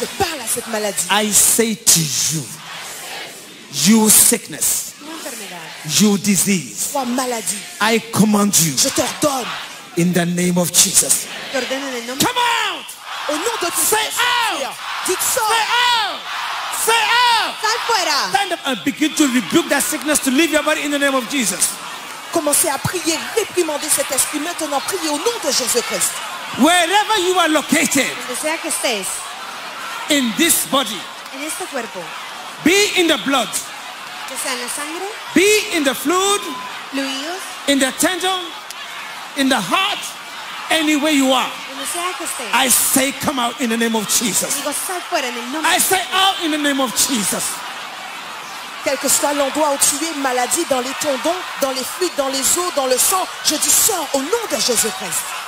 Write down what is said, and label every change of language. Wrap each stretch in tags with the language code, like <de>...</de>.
<en>I say to you, you sickness, you disease, I command you,</en> <fr>je t'ordonne,</fr> <en>in the name of Jesus, come out!</en> <fr>Au nom de Jesus,</fr> <en>say out!</en> <fr>Dites ça.</fr> <en>Say out! Say out!</en> <es>Sal fuera.</es> <en>Stand up and begin to rebuke that sickness to leave your body in the name of Jesus.</en> <fr>Commencez à prier, réprimandez cet esprit maintenant, priez au nom de Jésus Christ.</fr> <en>Wherever you are located,</en> <es>sea que estés,</es> <en>in this body,</en> <es>en este cuerpo,</es> <en>be in the blood,</en> <es>que sea en la sangre,</es> <en>be in the fluid,</en> <es>fluidos,</es> <en>in the tendon, in the heart, anywhere you are, I say come out in the name of Jesus. I say out in the name of Jesus.</en> <fr>Quel que soit l'endroit où tu es, maladie dans les tendons, dans les fluides, dans les os, dans le sang, je dis sors au nom de Jésus Christ.</fr>